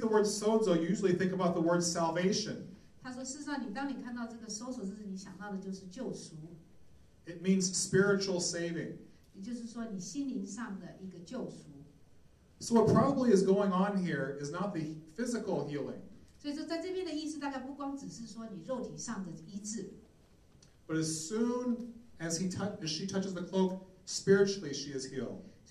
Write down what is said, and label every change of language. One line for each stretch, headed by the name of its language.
English: When you see the word sozo, you usually think about the word salvation.
Chinese: 他说，事实上，你当你看到这个搜索，是你想到的就是救赎。
English: It means spiritual saving.
Chinese: 也就是说，你心灵上的一个救赎。
English: So what probably is going on here is not the physical healing.
Chinese: 所以说，在这边的意思大概不光只是说你肉体上的医治。
English: But as soon as she touches the cloak, spiritually she is healed.